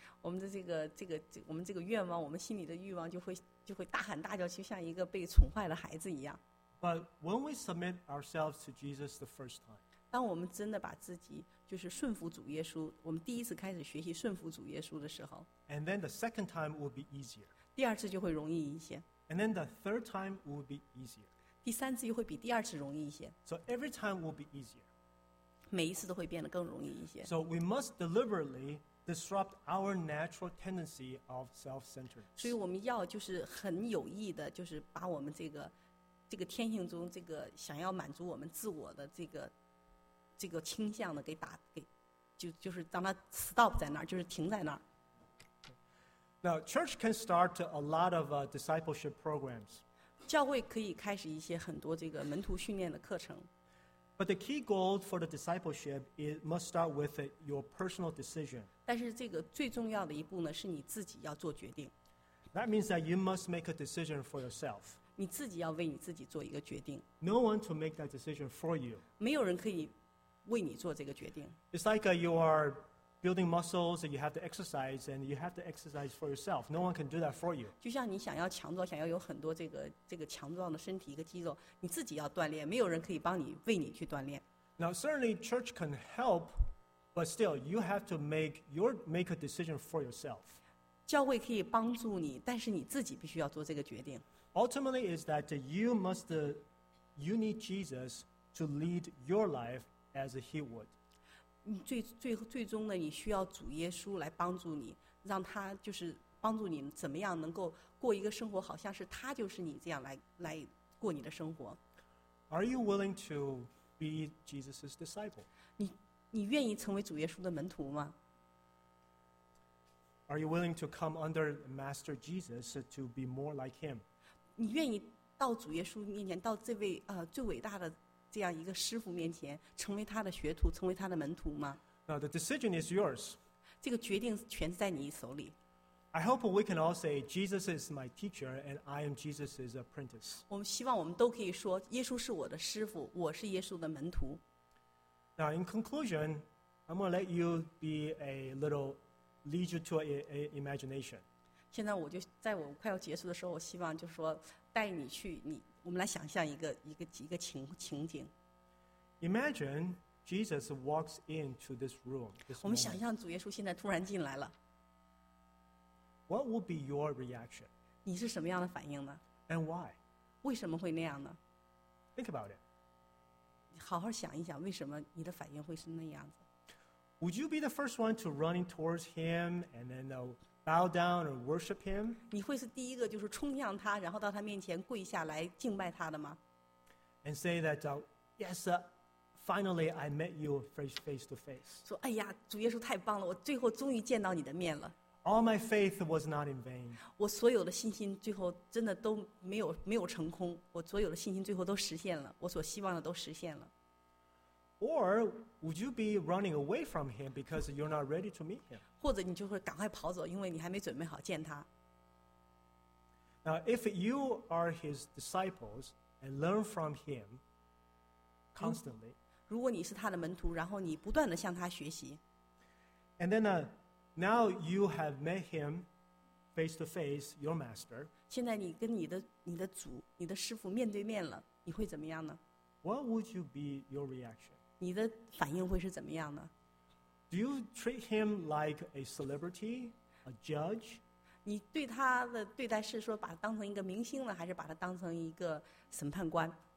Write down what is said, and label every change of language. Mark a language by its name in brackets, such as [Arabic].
[Chinese] 我们的这个愿望，我们心里的欲望就会大喊大叫，就像一个被宠坏的孩子一样。 [English] But when we submit ourselves to Jesus the first time, [Chinese] 当我们真的把自己就是顺服主耶稣，我们第一次开始学习顺服主耶稣的时候 [English] ，and then the second time will be easier. [Chinese] 第二次就会容易一些。 [English] And then the third time will be easier. [Chinese] 第三次又会比第二次容易一些。 [English] So every time will be easier. [Chinese] 每一次都会变得更容易一些。 [English] So we must deliberately disrupt our natural tendency of self-centeredness. [Chinese] 所以我们要就是很有意的，就是把我们这个天性中这个想要满足我们自我的这个倾向的给就是让它 stop 在那儿，就是停在那儿。 [English] Now church can start a lot of discipleship programs. [Chinese] 教会可以开始一些很多这个门徒训练的课程。 [English] But the key goal for the discipleship it must start with your personal decision. [Chinese] 但是这个最重要的一步呢，是你自己要做决定。 [English] That means that you must make a decision for yourself. [Chinese] 你自己要为你自己做一个决定。 [English] No one to make that decision for you. [Chinese] 没有人可以为你做这个决定。 [English] It's like you are building muscles, and you have to exercise, and you have to exercise for yourself. No one can do that for you. [Chinese] 就像你想要强壮，想要有很多这个强壮的身体一个肌肉，你自己要锻炼，没有人可以帮你为你去锻炼。 [English] Now, certainly, church can help, but still, you have to make a decision for yourself. [Chinese] 教会可以帮助你，但是你自己必须要做这个决定。 [English] Ultimately, is that you need Jesus to lead your life as He would. [Chinese] 最终的你需要主耶稣来帮助你，让他就是帮助你怎么样能够过一个生活，好像是他就是你这样来过你的生活。 [English] Are you willing to be Jesus's disciple? [Chinese] 你愿意成为主耶稣的门徒吗 [English] ？Are you willing to come under Master Jesus to be more like him? [Chinese] 你愿意到主耶稣面前，到这位最伟大的。这样一个师傅面前成为他的学徒成为他的门徒吗 [English] Now, the decision is yours [Chinese] 这个决定全在你手里 [English] I hope we can all say Jesus is my teacher and I am Jesus's apprentice [Chinese] 我们希望我们都可以说耶稣是我的师傅我是耶稣的门徒 [English] Now, in conclusion I'm going to let you be a little leisure to a imagination. [Chinese] 现在我就在我快要结束的时候，我希望就是说带你去你，我们来想象一个情景。 [English] Imagine Jesus walks into this room. [Chinese] 我们想象主耶稣现在突然进来了。 [English] What will be your reaction? [Chinese] 你是什么样的反应呢 [English] ？And why? [Chinese] 为什么会那样呢 [English] ？Think about it. [Chinese] 好好想一想，为什么你的反应会是那样子？ [English] Would you be the first one to running towards him and then bow down and worship him? [Chinese] 你会是第一个就是冲向他，然后到他面前跪下来敬拜他的吗 [English] ？And say that, yes, finally I met you face to face. [Chinese] 说哎呀，主耶稣太棒了，我最后终于见到你的面了。 [English] All my faith was not in vain. [Chinese] 我所有的信心最后真的都没有成空，我所有的信心最后都实现了，我所希望的都实现了。 [English] Or would you be running away from him because you're not ready to meet him? [Chinese] 或者你就会赶快跑走，因为你还没准备好见他。 [English] Now, if you are his disciples and learn from him constantly, [Chinese] 如果你是他的门徒，然后你不断的向他学习。 [English] And then, now you have met him face to face, your master. [Chinese] 现在你跟你的主、你的师父面对面了，你会怎么样呢 [English] ？What would you be your reaction? [Chinese] 你的反应会是怎么样呢 [English] ？Do you treat him like a celebrity, a judge? [Chinese] 你对他的对待是说把他当成一个明星呢，还是把他当成一个审判官